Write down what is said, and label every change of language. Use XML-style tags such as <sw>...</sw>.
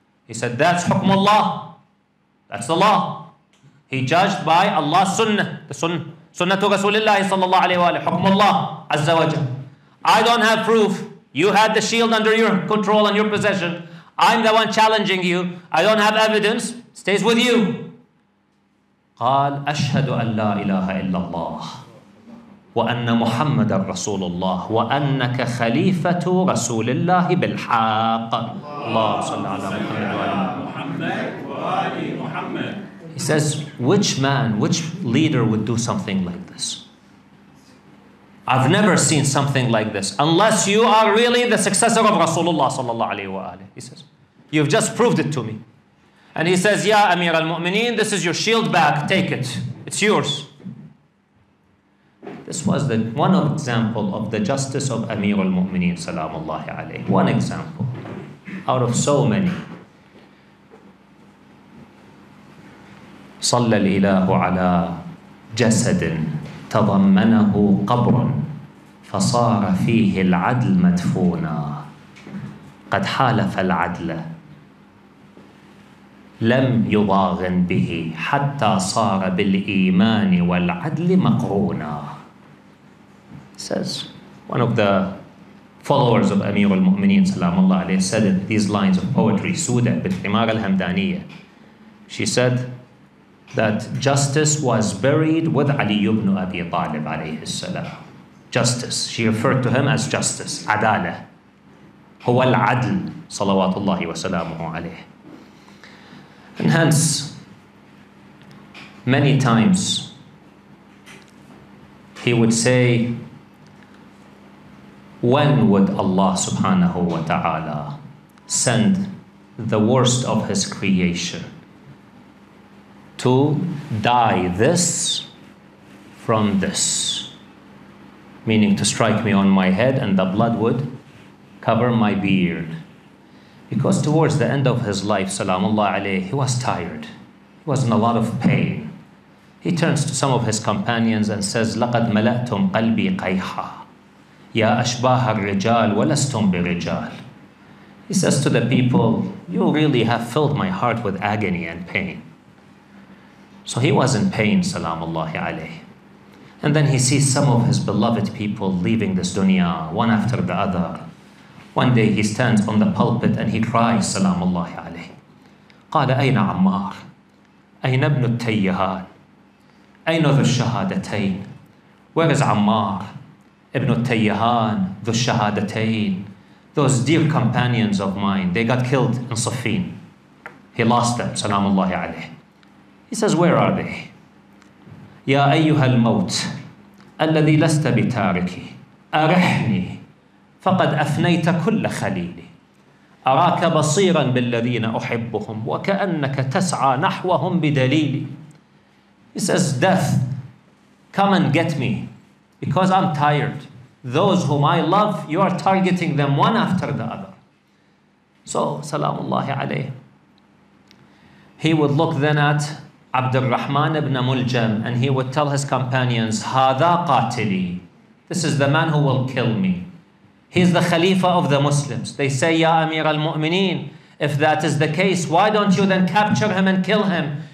<en>He said, that's</en> <ar>حُكْمُ اللَّهِ</ar> <en>That's the law. He judged by Allah's sunnah, the sunnah to Rasulullah sallallahu alayhi wa alayhi, hukm Allah azza wa jal. I don't have proof. You had the shield under your control and your possession. I'm the one challenging you. I don't have evidence. It stays with you.</en> <ar>قال أشهد أن لا إله إلا الله وأن محمد رسول الله وأنك خليفة رسول الله بالحق. الله صلى الله عليه وسلم. محمد وآل محمد.</ar> <en>He says, which man, which leader would do something like this? I've never seen something like this unless you are really the successor of Rasulullah sallallahu alayhi wa alayhi. He says, you've just proved it to me. And he says, ya Amir al-Mu'mineen, this is your shield back. Take it. It's yours. This was the one example of the justice of Amir al-Mu'mineen salamullahi alayhi. One example out of so many.</en> <ar>صلى الإله على جسد تضمنه قبر فصار فيه العدل مدفونا قد حالف العدل لم يضاغن به حتى صار بالإيمان والعدل مقرونا.</ar> <en>Says one of the followers of Amir al-Mu'mineen sallallahu alayhi wa sallam, these lines of poetry, Suda bint Himar al-Hamdaniya. She said that justice was buried with Ali ibn Abi Talib alayhi salam. Justice. She referred to him as justice. Adala.</en> <ar>هو العدل صلوات الله وسلامه عليه.</ar> <en>And hence, many times he would say, when would Allah subhanahu wa ta'ala send the worst of his creation to die this from this? Meaning to strike me on my head and the blood would cover my beard. Because towards the end of his life, salamullah alayhi, he was tired. He was in a lot of pain. He turns to some of his companions and says,</en> <ar>لَقَدْ مَلَأْتُمْ قَلْبِي قَيْحًا يَا أَشْبَاهَ الرِّجَالِ وَلَسْتُمْ بِرِجَالِ.</ar> <en>He says to the people, you really have filled my heart with agony and pain. So he was in pain, salamullah alayhi. And then he sees some of his beloved people leaving this dunya, one after the other. One day he stands on the pulpit and he cries, سلام الله عليه.</en> <ar>قال أين عمار؟ أين ابن التيهان؟ أين ذو الشهادتين؟</ar> <en>Where is</en> <ar>عمار؟ ابن التيهان، ذو الشهادتين.</ar> <en>Those dear companions of mine, they got killed in صفين. He lost them, سلام الله عليه. He says, where are they?</en> <ar>يا أيها الموت الذي لست بتاركي أرحني فقد أفنيت كل خليلي أراك بصيرا بالذين أحبهم وكأنك تسعى نحوهم بدليلي.</ar> <en>He says, death, come and get me because I'm tired. Those whom I love, you are targeting them one after the other. So,</en> <ar>سلام الله عليه.</ar> <en>He would look then at عبد الرحمن بن ملجم and he would tell his companions,</en> <ar>هذا قاتلي.</ar> <en>This is the man who will kill me. He is the Khalifa of the Muslims. They say, Ya Amir al-Mu'mineen, if that is the case, why don't you then capture him and kill him?</en>